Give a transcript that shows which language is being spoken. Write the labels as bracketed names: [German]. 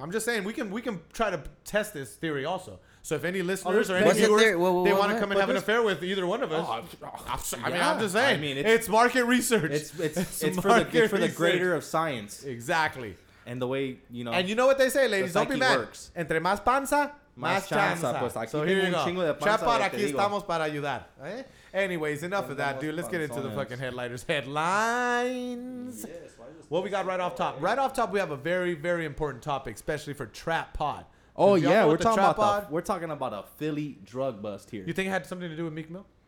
[English] I'm just saying we can try to test this theory also. So if any listeners or any viewers, they want to come and have an affair with either one of us. I'm just saying. I mean, it's market research. It's for the greater of science. Exactly. And the way, you know. And you know what they say, ladies. Don't be mad. [Spanish] Entre más panza... Más chance, pues. [English] So here you go. [Spanish] Chapar, aquí estamos para ayudar. [English] Anyways, enough of that, dude. Let's get into the fucking headliners. Headlines. What we got right off top? Right off top, we have a very, very important topic, especially for Trap Pod. Oh, yeah. We're talking about a Philly drug bust here. You think it had something to do with Meek Mill?